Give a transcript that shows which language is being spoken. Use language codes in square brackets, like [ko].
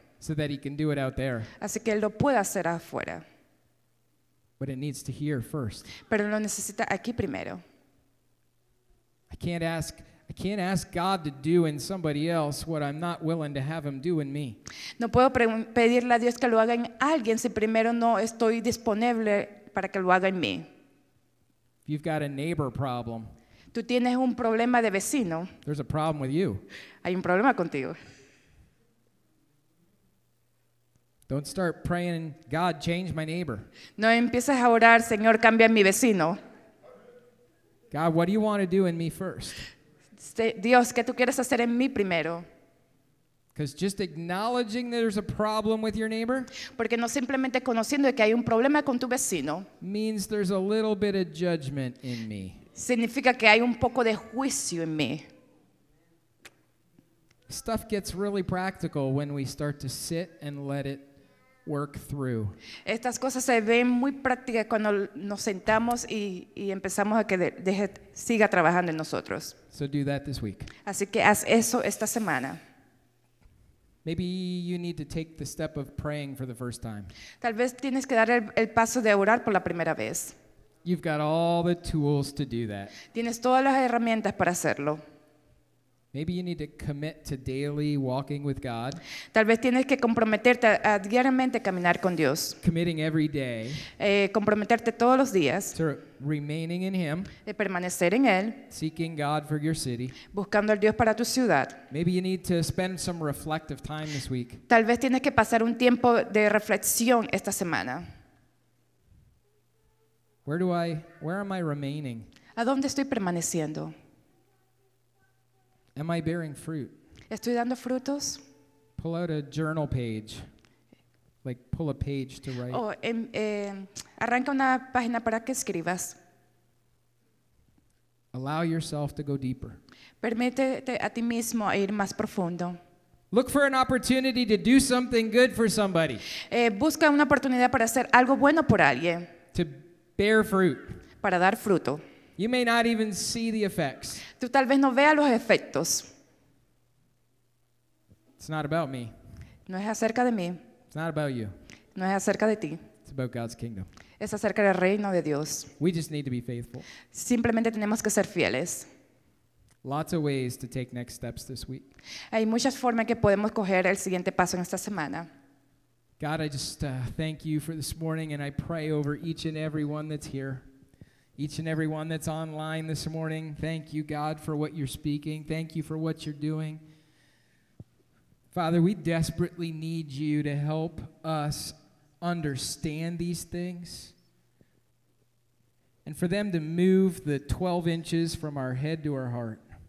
[en] So that he can do it out there. [es] Así que él lo puede hacer afuera. [en] But it needs to hear first. [es] Pero lo necesita aquí primero. [en] I can't ask God to do in somebody else what I'm not willing to have him do in me. [es] No puedo pedirle a Dios que lo haga en alguien si primero no estoy disponible para que lo haga en mí. [en] If you've got a neighbor problem. [es] Tú tienes un problema de vecino. [en] There's a problem with you. [es] Hay un problema contigo. [en] Don't start praying, God, change my neighbor. [es] No empieces a orar, Señor, cambia mi vecino. [en] God, what do you want to do in me first? [es] Dios, ¿qué tú quieres hacer en mí primero? [en] Because just acknowledging that there's a problem with your neighbor. [es] Porque no simplemente conociendo que hay un problema con tu vecino. [en] Means there's a little bit of judgment in me. [es] Significa que hay un poco de juicio en mí. [en] Stuff gets really practical when we start to sit and let it work through. [es] Estas cosas se ven muy prácticas cuando nos sentamos y empezamos a que siga trabajando en nosotros. [en] So do that this week. [es] Así que haz eso esta semana. [en] Maybe you need to take the step of praying for the first time. [es] Tal vez tienes que dar el paso de orar por la primera vez. [en] You've got all the tools to do that. [es] Tienes todas las herramientas para hacerlo. [en] Maybe you need to commit to daily walking with God. [es] Tal vez tienes que comprometerte a diariamente caminar con Dios. [en] Committing every day. [es] Comprometerte todos los días. [en] To remaining in Him. [es] Permanecer en Él. [en] Seeking God for your city. [es] Buscando al Dios para tu ciudad. [en] Maybe you need to spend some reflective time this week. [es] Tal vez tienes que pasar un tiempo de reflexión esta semana. [en] Where am I remaining? [es] ¿A dónde estoy permaneciendo? [en] Am I bearing fruit? [es] ¿Estoy dando frutos? [en] Pull out a journal page. Like pull a page to write. [es] Arranca una página para que escribas. [en] Allow yourself to go deeper. [es] Permítete a ti mismo a ir más profundo. [en] Look for an opportunity to do something good for somebody. [es] Busca una oportunidad para hacer algo bueno por alguien. [en] To bear fruit. [es] Para dar fruto. [en] You may not even see the effects. [es] Tú tal vez no veas los efectos. [en] It's not about me. [es] No es acerca de mí. [en] It's not about you. [es] No es acerca de ti. [en] It's about God's kingdom. [es] Es acerca del reino de Dios. [en] We just need to be faithful. [es] Simplemente tenemos que ser fieles. [en] Lots of ways to take next steps this week. [es] Hay muchas formas que podemos coger el siguiente paso en esta semana. [en] God, I just thank you for this morning, and I pray over each and every one that's here, each and every one that's online this morning. Thank you, God, for what you're speaking. Thank you for what you're doing. Father, we desperately need you to help us understand these things and for them to move the 12 inches from our head to our heart.